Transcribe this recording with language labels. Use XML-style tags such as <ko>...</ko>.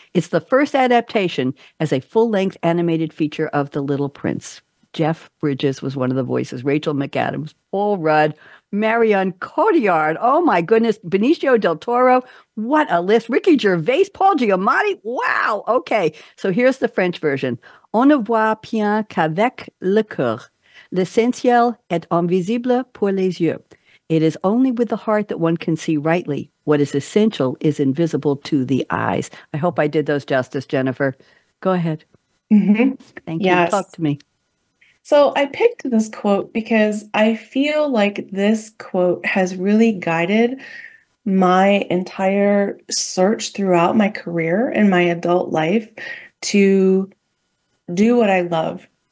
<en>It's the first adaptation as a full-length animated feature of The Little Prince. Jeff Bridges was one of the voices. Rachel McAdams, Paul Rudd, Marion Cotillard. Oh my goodness. Benicio del Toro. What a list. Ricky Gervais, Paul Giamatti. Wow. Okay. So here's the French version.</en> <fr>On ne voit bien qu'avec le cœur. L'essentiel est invisible pour les yeux.</fr> <en>It is only with the heart that one can see rightly. What is essential is invisible to the eyes. I hope I did those justice, Jennifer. Go ahead. Mm-hmm. Thank you. Yes. Talk to me. So I picked this quote because I feel like this quote has really guided my entire search throughout my career and my adult life to do what I love.</en>